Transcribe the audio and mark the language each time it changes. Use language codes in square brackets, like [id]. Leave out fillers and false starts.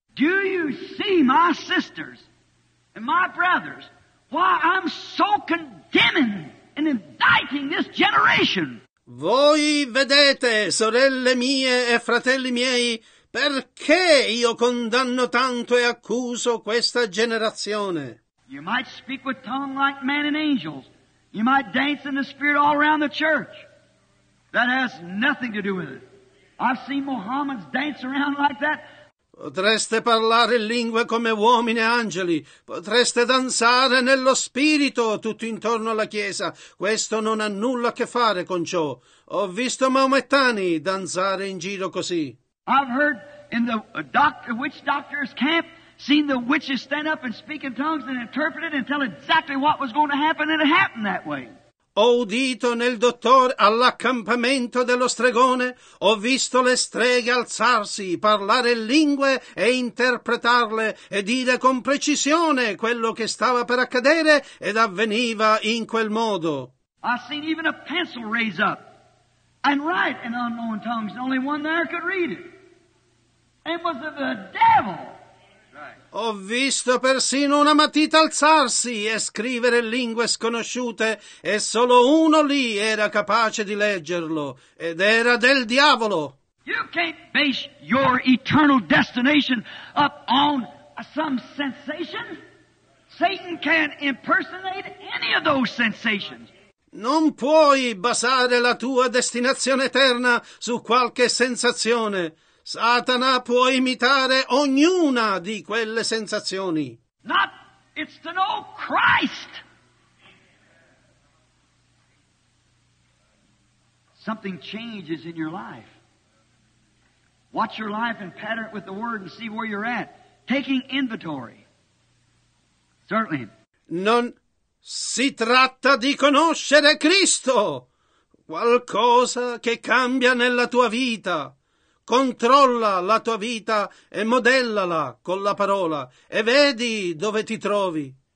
[en] Do you see my sisters and my brothers why I'm so condemning and indicting this generation? [it] Voi vedete, sorelle mie e fratelli miei, perché io condanno tanto e accuso questa generazione? [en] You might speak with tongue like men and angels. You might dance in the spirit all around the church. That has nothing to do with it. I've seen Mohammedans dance around like that. [it] Potreste parlare in lingue come uomini e angeli, potreste danzare nello spirito tutto intorno alla chiesa. Questo non ha nulla a che fare con ciò. Ho visto maomettani danzare in giro così. [en] I've heard in the witch doctor's camp, seen the witches stand up and speak in tongues and interpret it and tell exactly what was going to happen, and it happened that way. [it] Ho udito nel dottor all'accampamento dello stregone, ho visto le streghe alzarsi, parlare lingue e interpretarle e dire con precisione quello che stava per accadere ed avveniva in quel modo. [en] I seen even a pencil raise up and write in unknown tongues, the only one there could read it. It was the devil. [it] Ho visto persino una matita alzarsi e scrivere lingue sconosciute, e solo uno lì era capace di leggerlo, ed era del diavolo. [en] You can't base your eternal destination up on some sensation. Satan can't impersonate any of those sensations. [it] Non puoi basare la tua destinazione eterna su qualche sensazione. Satana può imitare ognuna di quelle sensazioni. [en] Not, it's to know Christ. Something changes in your life. Watch your life and pattern it with the Word and see where you're at. Taking inventory. Certainly. [it] Non si tratta di conoscere Cristo. Qualcosa che cambia nella tua vita. Controlla la tua vita e modellala con la parola e vedi dove ti trovi.